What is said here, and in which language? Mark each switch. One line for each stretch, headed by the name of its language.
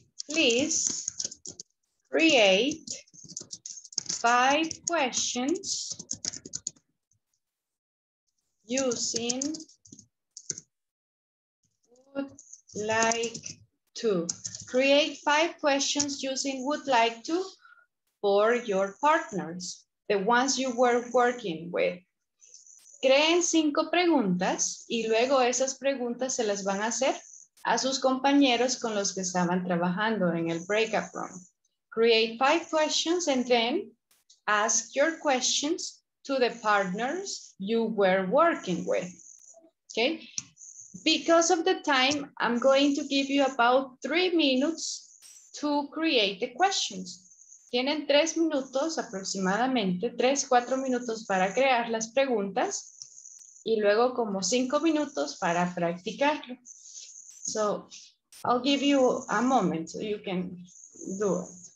English: Please create 5 questions using would like to. Create 5 questions using would like to for your partners, the ones you were working with.
Spanish: Creen 5 preguntas y luego esas preguntas se las van a hacer a sus compañeros con los que estaban trabajando en el breakout room.
English: Create 5 questions and then ask your questions to the partners you were working with, okay? Because of the time, I'm going to give you about 3 minutes to create the questions.
Spanish: Tienen 3 minutos aproximadamente, 3-4 minutos para crear las preguntas y luego como 5 minutos para practicarlo.
English: So I'll give you a moment so you can do it.